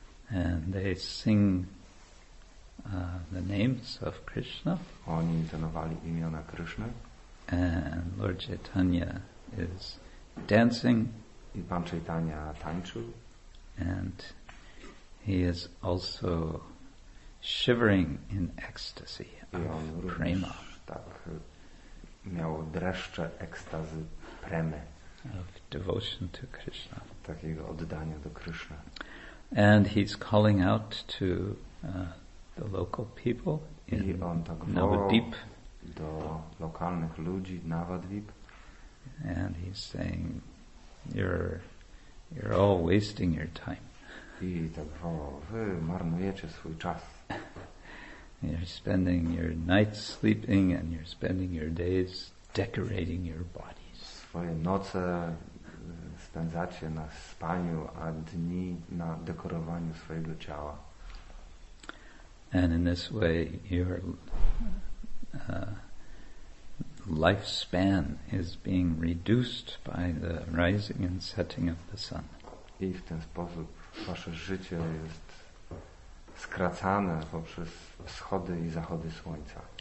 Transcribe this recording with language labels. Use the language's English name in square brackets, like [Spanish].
[English] And they sing the names of Krishna. [Polish] Oni intonowali imiona Krishna. [English] And Lord Chaitanya is dancing. [Polish] I pan Chaitanya tańczył. [English] And he is also shivering in ecstasy of prema. [Polish] Tak, miał dreszcze ekstazy premy. [English] Of devotion to Krishna. [Polish] Takiego oddania do Krishna. [English] And he's calling out to the local people in [Polish] Navadvip. I on tak woł do lokalnych ludzi Navadvip. [English] And he's saying, you're all wasting your time. [Polish] I tak woł, wy marnujecie swój czas. [English] You're spending your nights sleeping and you're spending your days decorating your bodies. [Polish] Swoje noce spędzacie na spaniu, a dni na dekorowaniu swojego ciała. [English] And in this way your lifespan is being reduced by the rising and setting of the sun. [Polish] I w ten sposób wasze życie jest skracane poprzez wschody i zachody słońca.